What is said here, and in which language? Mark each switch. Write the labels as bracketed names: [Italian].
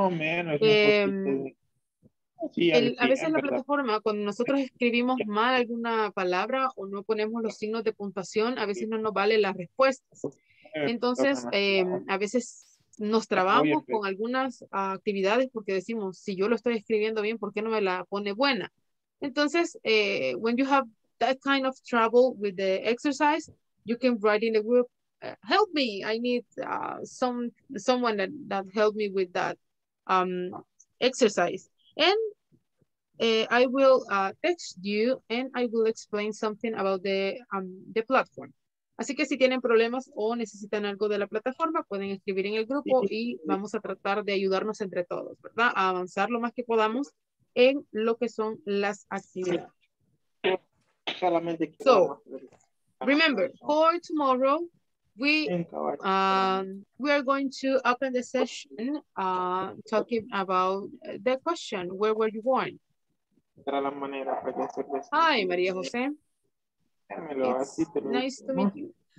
[Spanish] A veces la plataforma, cuando nosotros escribimos mal alguna palabra o no ponemos los signos de puntuación, a veces no nos vale las respuestas. Entonces, a veces nos trabamos con algunas actividades porque decimos, si yo lo estoy escribiendo bien, ¿por qué no me la pone buena? [English] Entonces, when you have that kind of trouble with the exercise, you can write in the group, help me, I need someone that helped me with that exercise. And I will text you and I will explain something about the platform. [Spanish] Así que si tienen problemas o necesitan algo de la plataforma, pueden escribir en el grupo y vamos a tratar de ayudarnos entre todos, ¿verdad? A avanzar lo más que podamos en lo que son las actividades. [English] So, remember, for tomorrow, we are going to open the session talking about the question, where were you born? Hi, Maria Jose. It's nice to meet you.